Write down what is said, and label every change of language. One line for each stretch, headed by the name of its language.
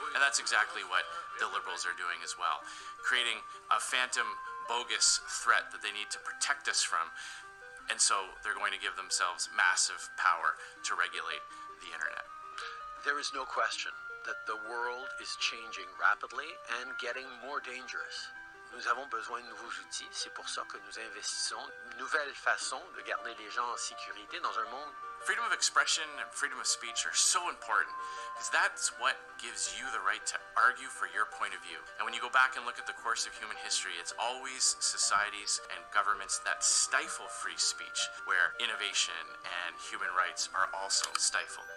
English: And that's exactly what the liberals are doing as well, creating a phantom bogus threat that they need to protect us from. And so they're going to give themselves massive power to regulate the internet. There is no question that the world is changing rapidly and getting more dangerous.
French: Nous avons besoin de nouveaux outils, c'est pour ça que nous investissons une nouvelle façon de garder les gens en sécurité dans un monde.
English: Freedom of expression and freedom of speech are so important because that's what gives you the right to argue for your point of view. And when you go back and look at the course of human history, it's always societies and governments that stifle free speech where innovation and human rights are also stifled.